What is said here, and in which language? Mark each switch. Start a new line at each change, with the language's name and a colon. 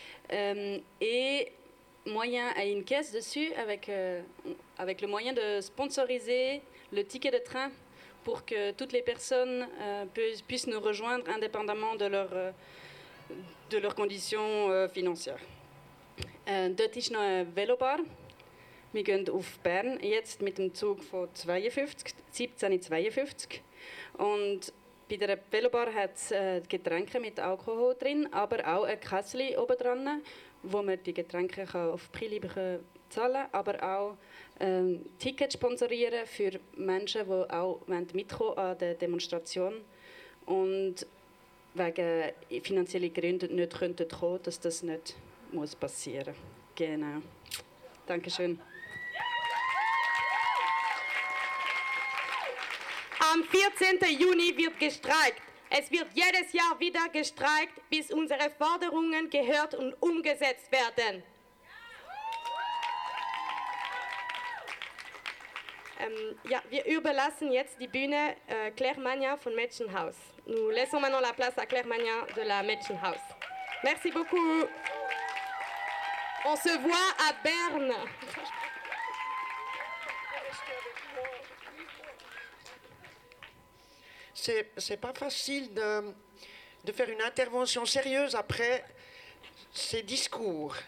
French: Et moyen à une caisse dessus avec... avec le moyen de sponsoriser le ticket de train pour que toutes les personnes puissent nous rejoindre indépendamment de leurs conditions financières.
German: Dort ist noch ein Velobar. Wir gehen auf Bern jetzt mit dem Zug von 17:52. Und bei der Velobar hat es Getränke mit Alkohol drin, aber auch ein Kässli oben dran, wo man die Getränke auf Prilibre zahlen kann, aber auch Tickets sponsorieren für Menschen, die auch mitkommen wollen an der Demonstration und wegen finanziellen Gründen nicht kommen können, dass das nicht passieren muss. Genau. Dankeschön. Am 14. Juni wird gestreikt. Es wird jedes Jahr wieder gestreikt, bis unsere Forderungen gehört und umgesetzt werden. Ja, wir überlassen jetzt die Bühne Claire Magnat von Mädchenhaus.
French: Nous laissons maintenant la place à Claire Magnat de la Mädchenhaus. Merci beaucoup. On se voit à Berne. C'est pas facile de faire une intervention sérieuse après ces discours.